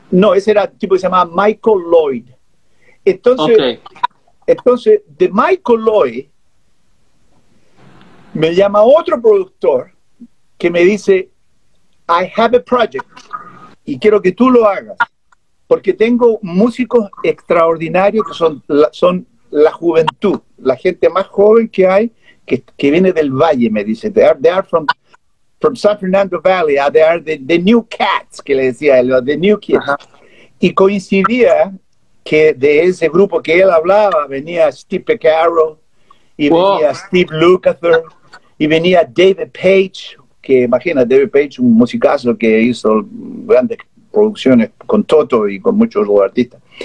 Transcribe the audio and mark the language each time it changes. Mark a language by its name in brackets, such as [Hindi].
[Spanish] No, ese era el tipo que se llamaba Michael Lloyd. Entonces, Entonces, de Michael Lloyd, me llama otro productor que me dice, [English] I have a project [Spanish] y quiero que tú lo hagas, porque tengo músicos extraordinarios que son la juventud, la gente más joven que hay, que viene del valle, me dice. [English] They are from San Fernando Valley, they are the new cats, [Spanish] que le decía él, [English] the new kids. [Spanish] Y coincidía que de ese grupo que él hablaba venía Steve Pecaro y venía Steve Lukather y venía David Page, que imagina, David Page, un musicazo que hizo grandes producciones con Toto y con muchos otros artistas.